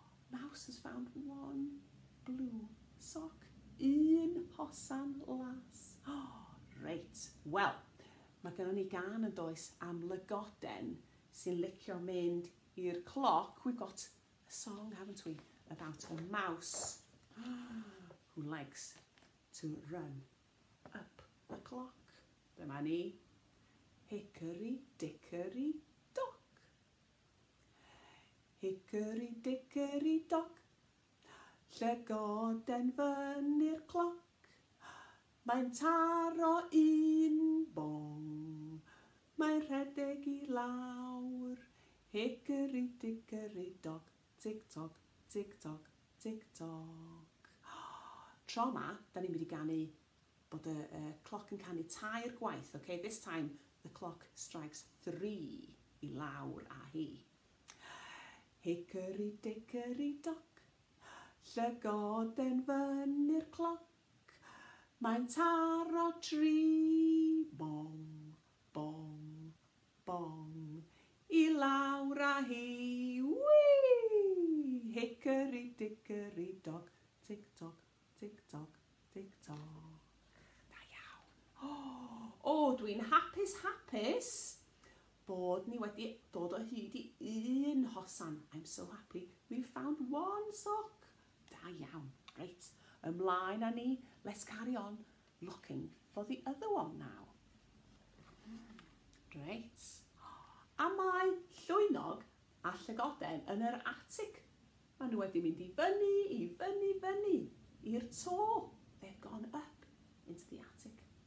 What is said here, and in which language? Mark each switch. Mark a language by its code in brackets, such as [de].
[en] Mouse has found one blue sock [cy] in hosan las. Reit, well, mae gennym ni gan yn does am lygoden sy'n licio mynd i'r cloc. [en] We've got a song, haven't we, about a mouse who likes to run up the clock. [cy] Dyma ni, hickory dickory dock. [en] Hickory dickory dock, [cy] llygoden fyny'r cloc. Mae'n taro un bong, mae'n rhedeg i lawr. [en] Hickory dickory dock, tick tock, tick tock, tick tock. [cy] Tro ma, da ni'n mynd i ganu bod y cloc yn canu tair gwaith, okay? [en] This time, the clock strikes three [cy] i lawr a hi. [en] Hickory dickory dock, [cy] llygoden fyny'r cloc. Mae'n taro tri, bong, bong, bong, i lawr a hi. [en] Wee! Hickory dickory dock, tick tock, tick tock, tick tock. [cy] Da iawn. Oh, dwi'n hapus, hapus bod ni wedi dod o hyd i un hosan. [en] I'm so happy we found one sock. [cy] Da iawn. [en] Great. [cy] Ymlaen a ni, [en] let's carry on looking for the other one now. Great. [cy] A mae llwynog a llygoden yn yr attic. Maen nhw wedi mynd i fyny, fyny, i'r to. [en] They've gone up into the attic.